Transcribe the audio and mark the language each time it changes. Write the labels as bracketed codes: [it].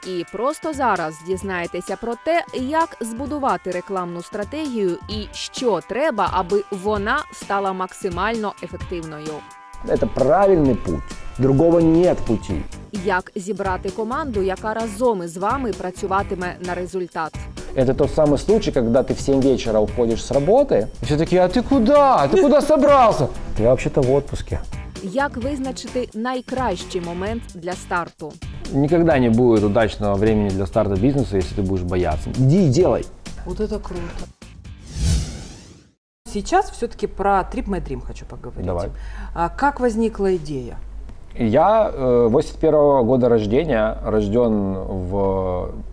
[uk] І просто зараз дізнаєтеся про те, як збудувати рекламну стратегію і що треба, аби вона стала максимально ефективною. Це правильний путь. [ru] Другого нет пути. [uk] Як зібрати команду, яка разом із вами працюватиме на результат. [ru] Это тот самый случай, когда ты в 7 вечера уходишь с работы. И все такие, а ты куда? Ты куда собрался? Я вообще-то в отпуске. [uk] Як визначити найкращий момент для старту? [ru] Никогда не будет удачного времени для старта бизнеса, если ты будешь бояться. Иди и делай. Вот это круто. Сейчас все-таки про Trip My Dream хочу поговорить. Давай. А как возникла идея? Я 81-го года рождения, рожден в...